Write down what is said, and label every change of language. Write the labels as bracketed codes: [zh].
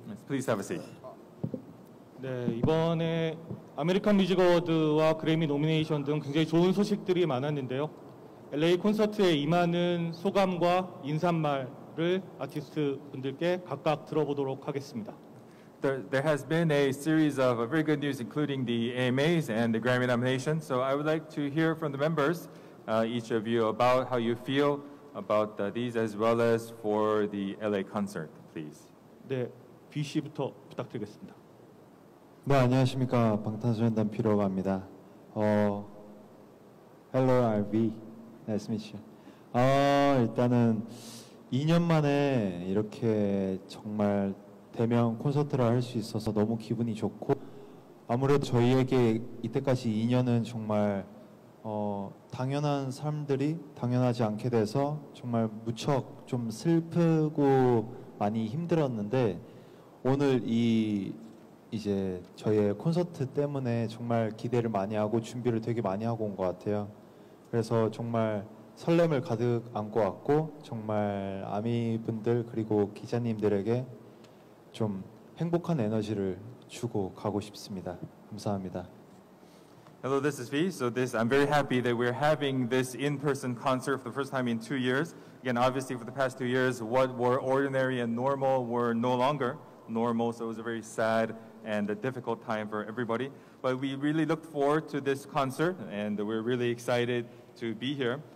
[en] 네. Please have a seat. [ko] 네, 이번에 아메리칸 뮤직 어워드와 그래미 노미네이션 등 굉장히 좋은 소식들이 많았는데요. LA 콘서트에 임하는 소감과 인사말을 아티스트 분들께 각각 들어보도록 하겠습니다. [en] There has been a series of very good news, including the AMAs and the Grammy nomination. So I would like to hear from the members, each of you, about how you feel about these as well as for the LA concert, please. [ko] 네, B씨부터 부탁드리겠습니다. 네, 안녕하십니까. 방탄소년단 피로가입니다. [en] Hello, I'm V. Nice to meet you. [ko] 일단은 2년 만에 이렇게 정말 대면 콘서트를 할 수 있어서 너무 기분이 좋고 아무래도 저희에게 이때까지 2년은 정말 당연한 삶들이 당연하지 않게 돼서 정말 무척 좀 슬프고 많이 힘들었는데 오늘 이 이제 저희의 콘서트 때문에 정말 기대를 많이 하고 준비를 되게 많이 하고 온 것 같아요. 그래서 정말 설렘을 가득 안고 왔고 정말 아미 분들 그리고 기자님들에게 좀 행복한 에너지를 주고 가고 싶습니다. 감사합니다. [en] Hello, this is V. So this, I'm very happy that we're having this in-person concert for the first time in 2 years. Again, obviously for the past 2 years, what were ordinary and normal were no longer normal. So it was a very sad and a difficult time for everybody. But we really looked forward to this concert and we're really excited to be here.